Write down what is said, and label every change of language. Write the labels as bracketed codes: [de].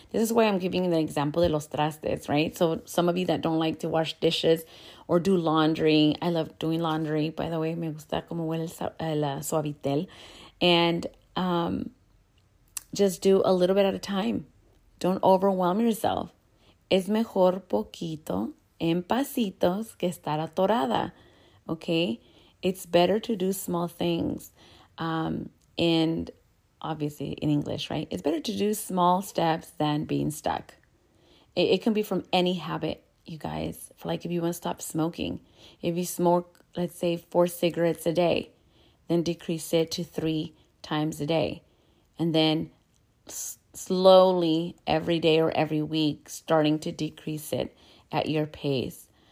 [en] This is why I'm giving the example of [es] los trastes, [en] right? So some of you that don't like to wash dishes or do laundry. I love doing laundry, by the way. [es] Me gusta como huele el suavitel. [en] And just do a little bit at a time. Don't overwhelm yourself. [es] Es mejor poquito en pasitos que estar atorada, okay? [en] It's better to do small things, and obviously in English, right? It's better to do small steps than being stuck. It can be from any habit, you guys. Like if you want to stop smoking, if you smoke, let's say 4 cigarettes a day, then decrease it to 3 times a day, and then slowly every day or every week starting to decrease it at your pace.